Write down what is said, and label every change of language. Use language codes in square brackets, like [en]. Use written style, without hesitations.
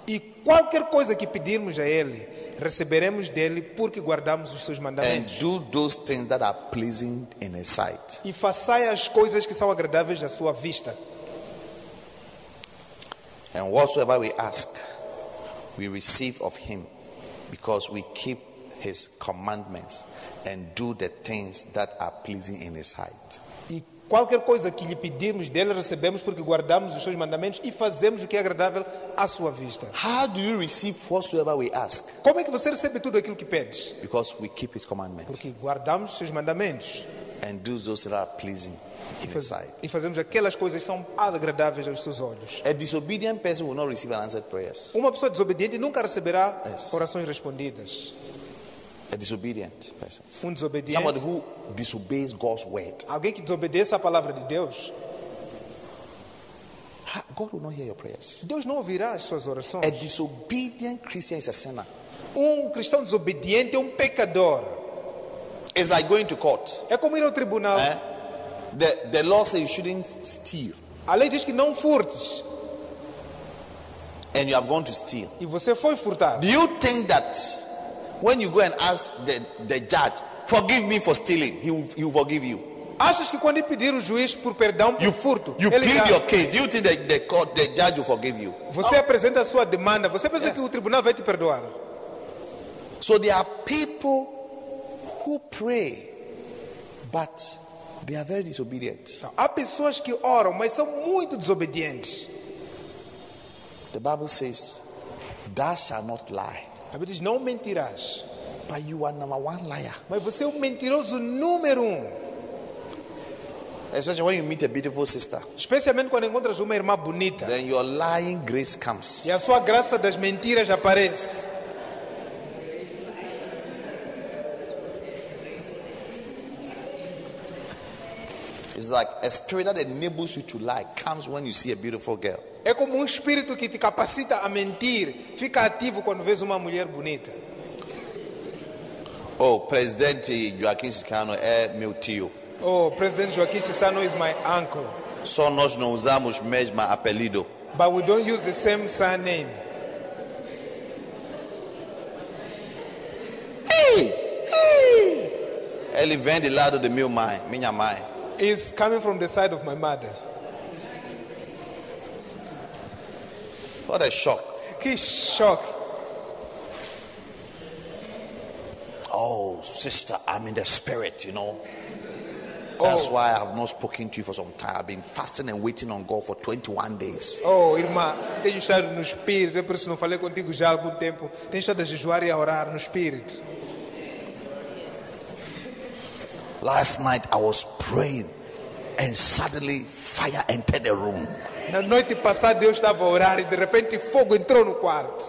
[pt] E qualquer coisa que pedirmos a ele, receberemos dele, porque guardamos os seus mandamentos. [en] And do those things that are pleasing in his sight. [pt] E façai as coisas que são agradáveis à sua vista. [en] And whatsoever we ask, we receive of him, because we keep his commandments and do the things that are pleasing in his sight. [pt] qualquer coisa que lhe pedirmos dele, recebemos porque guardamos os seus mandamentos e fazemos o que é agradável à sua vista. [en] How do you receive whatsoever we ask? [pt] Como é que você recebe tudo aquilo que pedes? [en] Because we keep his commandments. [pt] Porque guardamos os seus mandamentos. [en] And do those that are pleasing. [pt] E fazemos aquelas coisas que são agradáveis aos seus olhos. [en] A disobedient person will not receive answered prayers. [pt] Uma pessoa desobediente nunca receberá orações respondidas. [en] A disobedient person. [pt] Um desobediente. [en] Somebody who disobeys God's word. [pt] Alguém que desobedece a palavra de Deus. [en] God will not hear your prayers. [pt] Deus não ouvirá as suas orações. [en] A disobedient Christian is a sinner. [pt] Um cristão desobediente é um pecador. [en] It's like going to court. [pt] É como ir ao tribunal. [en] Eh? The law says you shouldn't steal. [pt] A lei diz que não furtes. [en] And you have gone to steal. [pt] E você foi furtar. [en] Do you think that when you go and ask the judge, forgive me for stealing, he will forgive you? [pt] Achas que quando pedir o juiz por perdão por furto, [en] you plead your case, do you think the judge will forgive you? [pt] Você apresenta a sua demanda, você pensa que o tribunal vai te perdoar? [en] So there are people who pray, but they are very disobedient. [pt] Há pessoas que oram, mas são muito desobedientes. [en] The Bible says, "Thou shalt not lie." [pt] A Bíblia diz, não mentirás. [en] But you are number one liar. [pt] Mas você é o mentiroso número um. [en] Especially when you meet a beautiful sister. [pt] Especialmente quando encontras uma irmã bonita. [en] Then your lying grace comes. [pt] E a sua graça das mentiras aparece. [en] It's like a spirit that enables you to lie comes when you see a beautiful girl. [pt] É como espírito que te capacita a mentir, fica ativo quando vês uma mulher bonita. Oh, Presidente Joaquim Chissano é meu tio. [en] Oh, Presidente Joaquim Chissano is my uncle. [pt] Só nós não usamos mesmo apelido. [en] But we don't use the same surname. Hey! [pt] Ele vem do lado de meu mãe, minha mãe. [en] Is coming from the side of my mother. What a shock. [pt] Que shock. [en] Oh, sister, I'm in the spirit, you know. That's why I have not spoken to you for some time. I've been fasting and waiting on God for 21 days. [pt] Oh, irmã, tenho estado no espírito. É por isso que não falei contigo já há algum tempo. Tenho estado a jejuar e a orar no espírito. [en] Last night I was praying and suddenly fire entered the room. [pt] Na noite passada Deus estava a orar e de repente fogo entrou no quarto.